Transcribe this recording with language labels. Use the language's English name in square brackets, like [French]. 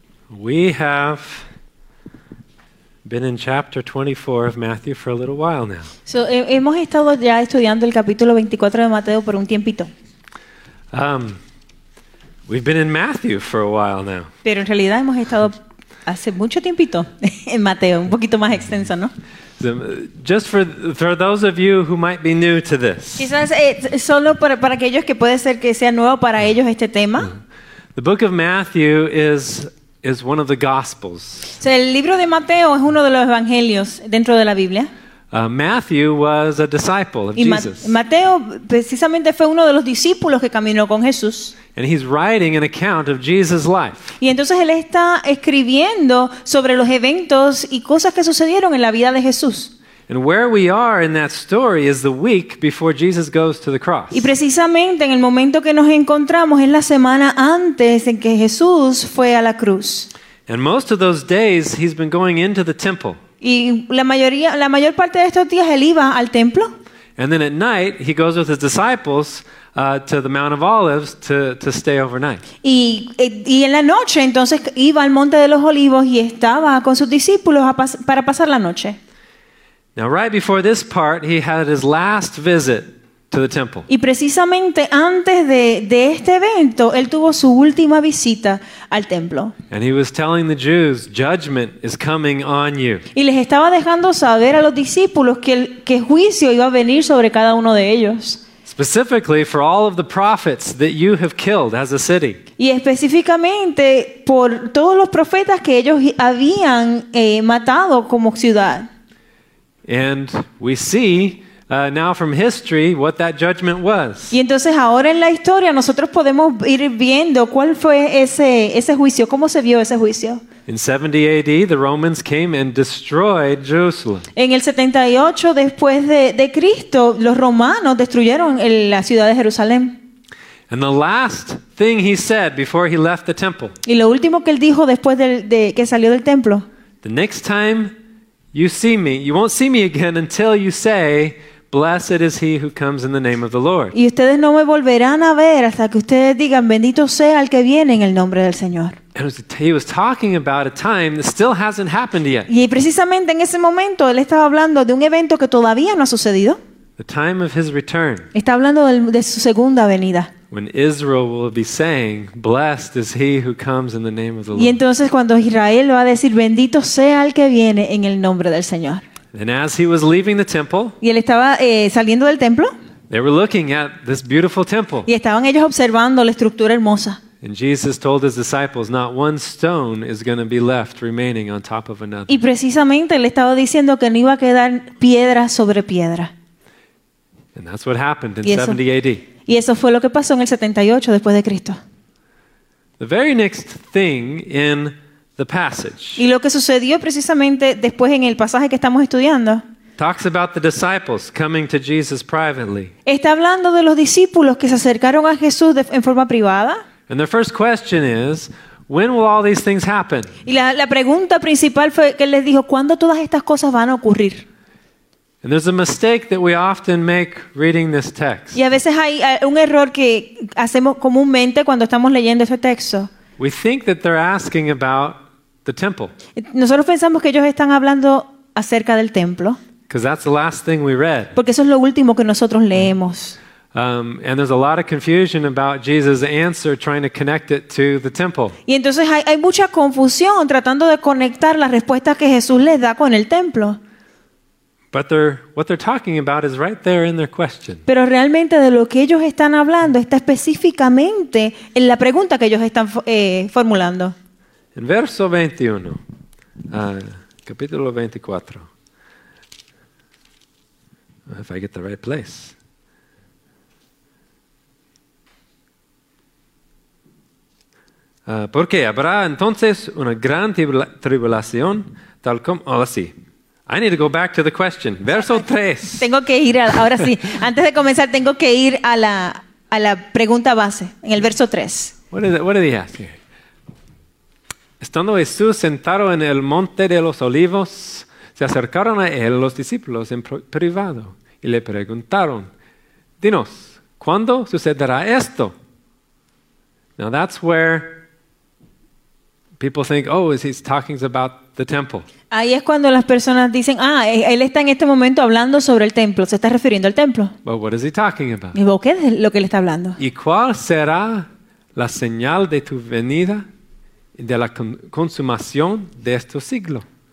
[English] We have been in chapter 24 of Matthew for a little while now. [Spanish] So, hemos estado ya estudiando el capítulo 24 de Mateo por un tiempito. [English] We've been in Matthew for a while now. [Spanish] Pero en realidad hemos estado hace mucho tiempito en Mateo, un poquito más extenso, ¿no? [English] So, just for those of you who might be new to this. [Spanish] Quizás solo para aquellos que puede ser que sea nuevo para ellos este tema. [English] The book of Matthew is one of the Gospels. [Spanish] So, el libro de Mateo es uno de los evangelios dentro de la Biblia. [English] Matthew was a disciple of Jesus. [Spanish] Mateo precisamente fue uno de los discípulos que caminó con Jesús. [English] And he's writing an account of Jesus' life. [Spanish] Y entonces él está escribiendo sobre los eventos y cosas que sucedieron en la vida de Jesús. [English] And where we are in that story is the week before Jesus goes to the cross. [Spanish] Y precisamente en el momento que nos encontramos es la semana antes en que Jesús fue a la cruz. [English] And most of those days he's been going into the temple. [Spanish] Y la mayor parte de estos días él iba al templo. [English] And then at night he goes with his disciples to the Mount of Olives to stay overnight. [Spanish] Y en la noche entonces iba al Monte de los Olivos y estaba con sus discípulos para pasar la noche. [English] Now, right before this part, he had his last visit to the temple. [Spanish] Y precisamente antes de este evento, él tuvo su última visita al templo. [English] And he was telling the Jews, judgment is coming on you. [Spanish] Y les estaba dejando saber a los discípulos que juicio iba a venir sobre cada uno de ellos. [English] Specifically for all of the prophets that you have killed as a city. [Spanish] Y específicamente por todos los profetas que ellos habían matado como ciudad. [English] And we see now from history what that judgment was. [Spanish] Y entonces ahora en la historia nosotros podemos ir viendo cuál fue ese juicio, cómo se vio ese juicio. [English] In 70 AD, the Romans came and destroyed Jerusalem. [Spanish] En el 78 después de Cristo, los romanos destruyeron la ciudad de Jerusalén. [English] And the last thing he said before he left the temple. [Spanish] Y lo último que él dijo después de que salió del templo. [English] The next time you see me, you won't see me again until you say, "Blessed is he who comes in the name of the Lord." [Spanish] Y ustedes no me volverán a ver hasta que ustedes digan, "Bendito sea el que viene en el nombre del Señor." [English] He was talking about a time that still hasn't happened yet. [Spanish] Y precisamente en ese momento él estaba hablando de un evento que todavía no ha sucedido. [English] The time of his return. [Spanish] Está hablando de su segunda venida. [English] When Israel will be saying, "Blessed is he who comes in the name of the Lord." [Spanish] Y entonces cuando Israel va a decir, "Bendito sea el que viene en el nombre del Señor." [English] And as he was leaving the temple. [Spanish] Y él estaba saliendo del templo. [English] They were looking at this beautiful temple. [Spanish] Y estaban ellos observando la estructura hermosa. [English] And Jesus told his disciples, "Not one stone is going to be left remaining on top of another." [Spanish] Y precisamente le estaba diciendo que no iba a quedar piedra sobre piedra. [English] And that's what happened in 70 AD. [Spanish] Y eso fue lo que pasó en el 78 después de Cristo. [English] The very next thing in the passage. [Spanish] Y lo que sucedió precisamente después en el pasaje que estamos estudiando. [English] Talks about the disciples coming to Jesus privately. [Spanish] Está hablando de los discípulos que se acercaron a Jesús en forma privada. [English] And the first question is, when will all these things happen? [Spanish] Y la pregunta principal fue que él les dijo, ¿cuándo todas estas cosas van a ocurrir? [English] And there's a mistake that we often make reading this text. [Spanish] Y a veces hay un error que hacemos comúnmente cuando estamos leyendo este texto. [English] We think that they're asking about the temple. [Spanish] Nosotros pensamos que ellos están hablando acerca del templo. [English] Because that's the last thing we read. [Spanish] Porque eso es lo último que nosotros leemos. [English] And there's a lot of confusion about Jesus' answer trying to connect it to the temple. [Spanish] Y entonces hay mucha confusión tratando de conectar la respuesta que Jesús les da con el templo. [English] But what they're talking about is right there in their question. [Spanish] Pero realmente de lo que ellos están hablando está específicamente en la pregunta que ellos están formulando. En verso 21, capítulo 24. [English] If I get the right place. [Spanish] ¿Por qué habrá entonces una gran tribulación tal como? Ahora sí. [English] I need to go back to the question. [Spanish] Verso 3. Tengo que ir ahora sí. Antes de comenzar, tengo que ir a la pregunta base, en el verso 3. [English] What did he ask here? [Spanish] Estando Jesús sentado en el monte de los olivos, se acercaron a él los discípulos en privado y le preguntaron, "Dinos, ¿cuándo sucederá esto?" [English] Now that's where people think, oh, he's talking about the temple. [Spanish] Ahí es cuando las personas dicen, ah, él está en este momento hablando sobre el templo. Se está refiriendo al templo. [English] But what is he talking about? [Spanish] ¿Y qué es lo que le está hablando? ¿Y cuál será la señal de tu venida y de la consumación de este siglo?